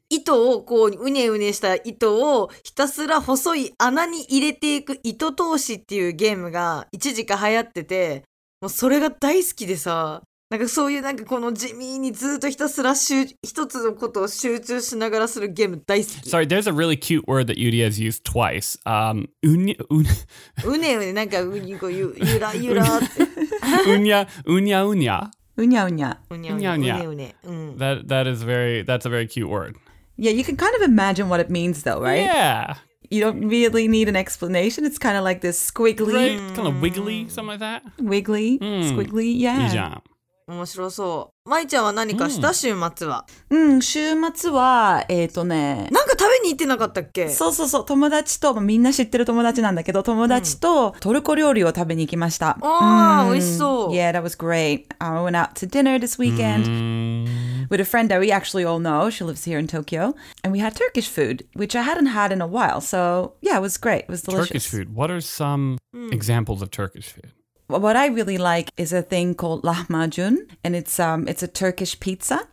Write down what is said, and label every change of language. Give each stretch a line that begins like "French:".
Japanese: 糸をこううねうねした糸をひたすら細い穴に入れていく糸通しっていうゲームが一時期流行ってて、もうそれが大好きでさ。なんかそういうなんかこの地味にずっとひたすら一つのことを集中しながらするゲーム大好き。
English: Sorry, there's a really cute word that Yuri has used twice.
Japanese: うねうね、なんかうにこゆらゆらって。うにゃうにゃうにゃ。うにゃうにゃ。うにゃうにゃ。うねう
English: ね。That's a very cute word. Yeah, you can kind of imagine what it means though, right? Yeah. You don't really need an explanation. It's kind of like this squiggly. Right, kind of wiggly, something like that. Wiggly, squiggly, yeah.
Japanese: いいじゃん。面白そう。まいちゃんは何かした、週末は。うん、週末は、なんか食べに行ってなかったっけ。そうそうそう、友達と、みんな知ってる友達なんだけど、友達とトルコ料理を食べに行きました。あ、う、あ、ん、美味しそう。
English: Yeah, that was great. I went out to dinner this weekend.、うんWith a friend that we actually all know, she lives here in Tokyo, and we had Turkish food, which I hadn't had in a while. So yeah, it was great. It was delicious. Turkish food. What are some examples of Turkish food? What I really like is a thing called lahmacun, and it's a Turkish pizza.